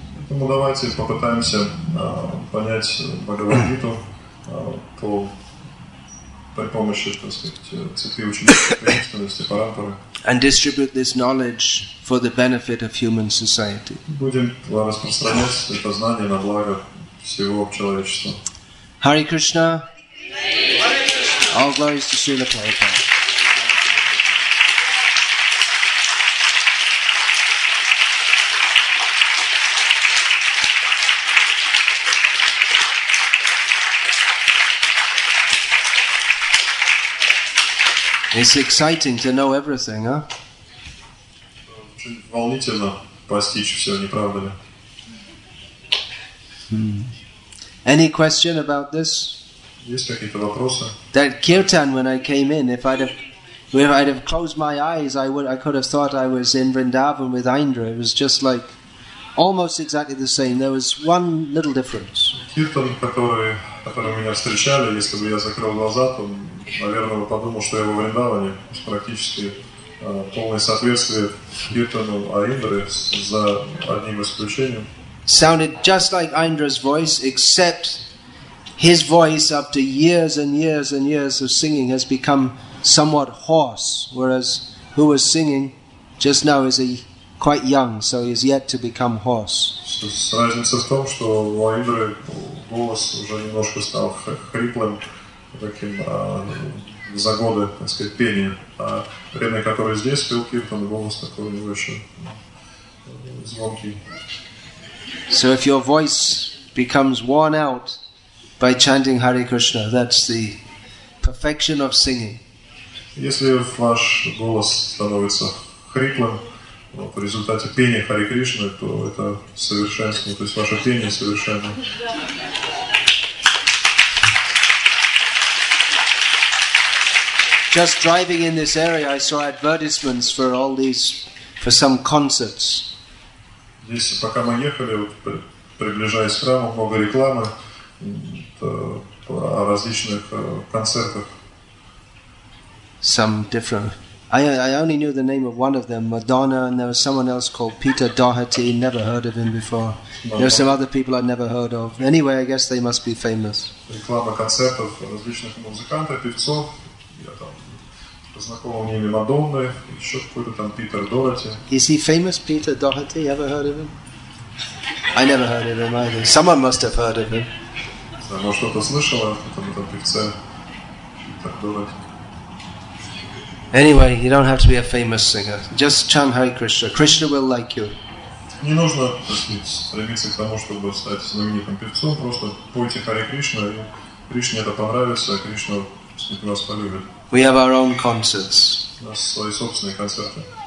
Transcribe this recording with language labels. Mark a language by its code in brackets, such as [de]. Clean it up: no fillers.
[ru] Ну давайте попытаемся понять Бхагавад Гиту при помощи, так сказать, цепи учительности парампары. [en] And distribute this knowledge for the benefit of human society. [ru] Будем распространять это знание на благо всего человечества. [en] Hare Krishna. All glories to Srila Prabhupada. It's exciting to know everything, huh? [ru] Волнительно постичь все, не правда ли? [en] Any question about this? [ru] Есть какие-то вопросы? [en] That kirtan, when I came in, if I'd have closed my eyes, I could have thought I was in Vrindavan with Indra. It was just like almost exactly the same. There was one little difference. [ru] Kirtan, который меня встречали, если бы я закрыл глаза, то, наверное, бы подумал, что я во Вриндаване. Практически полное соответствие Киртану Аиндре за одним исключением. [en] Sounded just like Aindra's voice, except his voice, after years and years and years of singing, has become somewhat hoarse, whereas who was singing just now is quite young, so he is yet to become hoarse. [ru] Разница в том, что у Аиндры голос уже немножко стал хриплым, таким за годы, так сказать, пения. А время, которое здесь пел Киртан, голос такой не очень звонкий. [en] So if your voice becomes worn out by chanting Hare Krishna, that's the perfection of singing. [ru] Если ваш голос становится хриплым в результате пения Харе Кришны, то это совершенство, то есть ваше пение совершенно. [en] Just driving in this area, I saw advertisements for all these, for some concerts. [ru] Здесь, пока мы ехали, вот, приближаясь к храму, много рекламы о различных концертах. [en] Some different. I only knew the name of one of them, Madonna, and there was someone else called Peter Doherty. Never heard of him before. No. There were some other people I'd never heard of. Anyway, I guess they must be famous. [ru] Реклама концертов различных музыкантов, певцов. Я там знакомого имени Мадонны, еще какой-то там Питер Дохерти. [en] Is he famous, Peter Doherty? Ever heard of him? I never heard of him either. Someone must have heard of him. [ru] Я что-то слышал о этом певце, Питер Дохерти. [en] Anyway, you don't have to be a famous singer. Just chant Hare Krishna. Krishna will like you. [ru] Не нужно стремиться к тому, чтобы стать знаменитым певцом. Просто пойте Hare Krishna, и Кришне это понравится, а Кришна вас полюбит. [en] We have our own concerts. [ru] У нас свои собственные концерты.